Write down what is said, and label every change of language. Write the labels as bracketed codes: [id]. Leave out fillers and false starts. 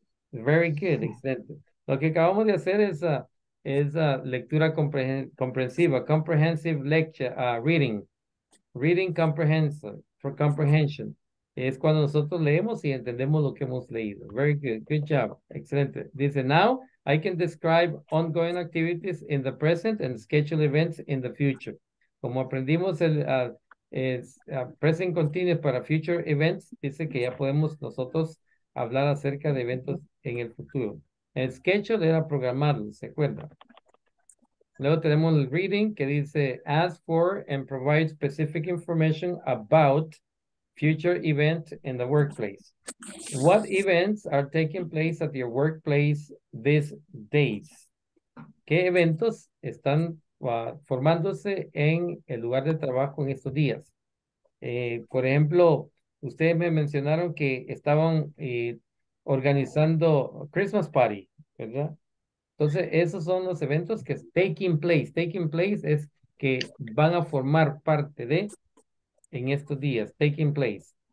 [en] Very good, [es] excelente. Lo que acabamos de hacer es lectura comprensiva. [en] Comprehensive lecture, reading. Reading comprehension. For comprehension. [es] Es cuando nosotros leemos y entendemos lo que hemos leído. [en] Very good, good job, excelente. [es] Dice, [en] now I can describe ongoing activities in the present and schedule events in the future. [es] Como aprendimos el... present continuous para future events, dice que ya podemos nosotros hablar acerca de eventos en el futuro. El schedule era programarlo, ¿se acuerda? Luego tenemos el reading que dice, [en] ask for and provide specific information about future events in the workplace. What events are taking place at your workplace these days? [es] ¿Qué eventos están formándose en el lugar de trabajo en estos días? Por ejemplo, ustedes me mencionaron que estaban organizando Christmas party, ¿verdad? Entonces, esos son los eventos que es taking place. Taking place es que van a formar parte de en estos días, taking place.